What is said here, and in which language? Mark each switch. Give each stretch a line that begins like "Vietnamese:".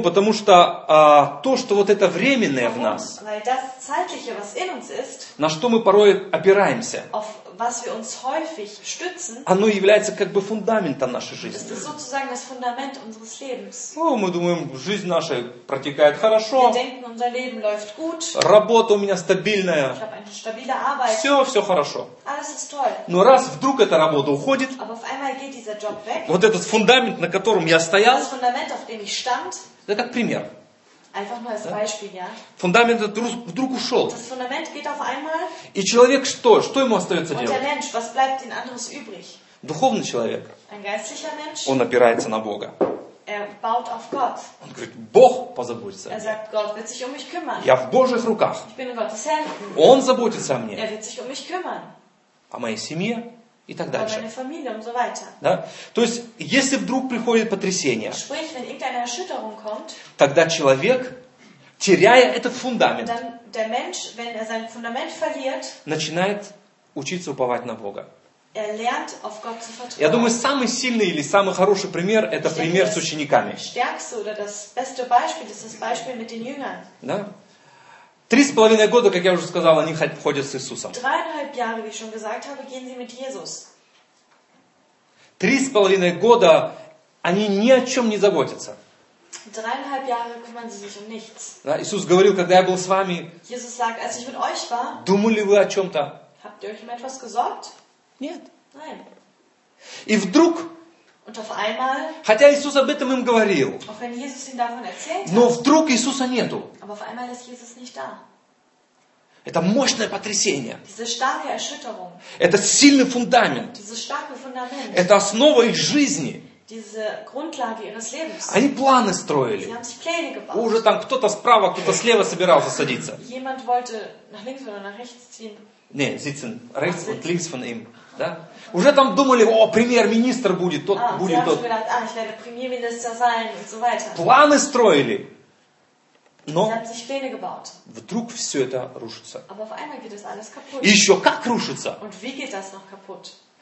Russian: Потому что то, что вот это временное
German: Warum?
Russian: В нас,
German: Weil das Zeitliche, was in uns ist,
Russian: на что мы порой опираемся,
German: auf was wir uns häufig stützen,
Russian: оно является как бы фундаментом нашей жизни.
German: Das ist sozusagen das Fundament unseres Lebens.
Russian: Ну, мы думаем, жизнь наша протекает хорошо,
German: wir denken, unser Leben läuft gut,
Russian: работа у меня стабильная,
German: ich habe eine stabile Arbeit,
Russian: все хорошо.
German: Alles ist toll.
Russian: Но раз вдруг эта работа уходит,
German: Aber auf einmal geht dieser Job weg,
Russian: вот этот фундамент, на котором я стоял,
German: das Fundament auf dem ich stand.
Russian: Это как пример.
German: Einfach nur als Beispiel, ja?
Russian: Фундамент вдруг ушел.
German: Das Fundament geht auf einmal.
Russian: И человек что? Что ему остается
German: Und
Russian: делать?
German: Und der Mensch, was bleibt ihm anderes übrig?
Russian: Духовный человек.
German: Ein geistlicher Mensch.
Russian: Он опирается на Бога.
German: Er baut auf Gott.
Russian: Он говорит, Бог позаботится.
German: Er sagt, Gott wird sich um mich kümmern.
Russian: Я в Божьих руках.
German: Ich bin in Gottes Händen.
Russian: Он заботится о мне.
German: Er wird sich um mich kümmern.
Russian: О моей семье. И так дальше.
German: Meine Familie, und so weiter.
Russian: Да? То есть, если вдруг приходит потрясение,
German: Sprich, wenn irgendeine Erschütterung kommt,
Russian: тогда человек, теряя этот фундамент,
German: dann der Mensch, wenn er sein Fundament verliert,
Russian: начинает учиться уповать на Бога.
German: Er lernt, auf Gott zu vertrauen.
Russian: Я думаю, самый сильный или самый хороший пример – это
German: ich
Russian: пример
German: denke,
Russian: с учениками.
German: Stärkste oder das beste Beispiel, das ist das Beispiel mit den Jüngern.
Russian: Да? 3,5 года, как я уже сказал, они ходят с Иисусом.
German: 3,5 Jahre, wie ich schon gesagt habe, gehen sie mit Jesus.
Russian: 3,5 года они ни о чем не заботятся.
German: 3,5 Jahre kümmern sie sich um nichts.
Russian: Да, Иисус говорил, когда я был с вами,
German: Jesus sagt, als ich mit euch war,
Russian: думали вы о чем-то?
German: Habt ihr euch um etwas gesorgt?
Russian: Нет.
German: Nein.
Russian: И вдруг...
German: Und auf einmal,
Russian: хотя Иисус об этом им говорил,
German: auch wenn Jesus ihn davon erzählt
Russian: но
German: hat,
Russian: вдруг Иисуса нету.
German: Aber auf einmal ist Jesus nicht da.
Russian: Это мощное потрясение.
German: Diese starke Erschütterung,
Russian: это сильный фундамент.
German: Diese starke Fundament,
Russian: это основа их жизни.
German: Diese Grundlage ihres Lebens.
Russian: Они планы строили.
German: Sie haben sich Pläne gebaut.
Russian: Уже там кто-то справа, кто-то слева собирался садиться.
German: Jemand wollte nach links oder nach rechts ziehen. Не, sitzen rechts und links von ihm.
Russian: Да? Уже там думали, о, премьер-министр будет, тот будет, тот.
German: Ich werde
Russian: премьер-министр
German: sein und so weiter.
Russian: Планы строили. Но
German: sie haben sich Pläne gebaut.
Russian: Вдруг все это рушится.
German: Aber auf einmal geht das alles kaputt.
Russian: И еще как рушится.
German: Und wie geht das noch kaputt?